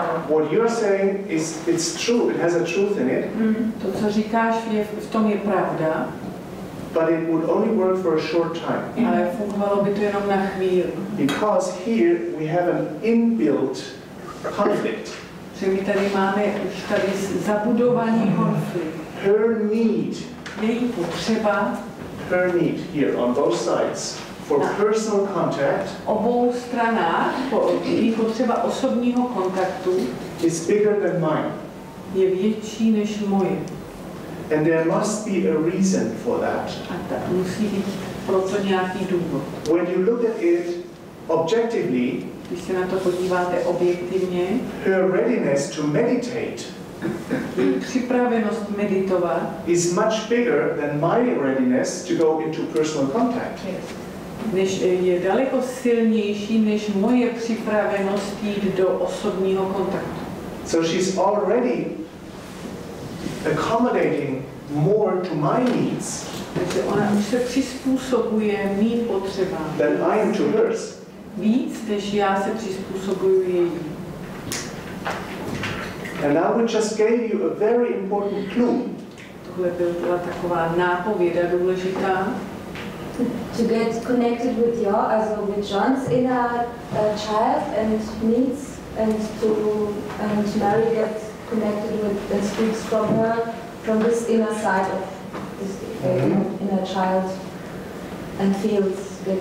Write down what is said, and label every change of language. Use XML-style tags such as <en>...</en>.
<en>What you're saying is it's true, it has a truth in it.</en> <cs>To, co říkáš, je, v tom je pravda.</cs> <en>But it would only work for a short time.</en> <cs>Ale fungovalo by to jenom na chvíli.</cs> <en>Because here we have an inbuilt conflict.</en> <cs>Že my tady máme už tady zabudovaný konflikt.</cs> <en>Her need.</en> <cs>Její potřeba.</cs> <en>Her need here on both sides for personal contact.</en> <cs>Obou stranách její potřeba osobního kontaktu.</cs> <en>Is bigger than mine.</en> <cs>Je větší než moje.</cs> <en>And there must be a reason for that.</en> <cs>A tak musí být proto nějaký důvod.</cs> <en>When you look at it objectively,</en> <cs>když se na to podíváte objektivně,</cs> <en>her readiness to meditate,</en> <cs>připravenost meditovat,</cs> <en>is much bigger than my readiness to go into personal contact.</en> <cs>Než je daleko silnější než moje připravenost jít do osobního kontaktu.</cs> <en>So she's already accommodating more to my needs.</en> <cs>Takže ona už se přizpůsobuje mým potřebám.</cs> <en>Than I am to hers.</en> <cs>Víc, než já se přizpůsobuju její.</cs> <en>And I would just gave you a very important clue.</en> <cs>Tohle byla taková nápověda důležitá.</cs> <en>To get connected with your, as well with John's inner child and needs, and to marry, get connected with and speak from her, from this inner side of this inner child, and feels.</en>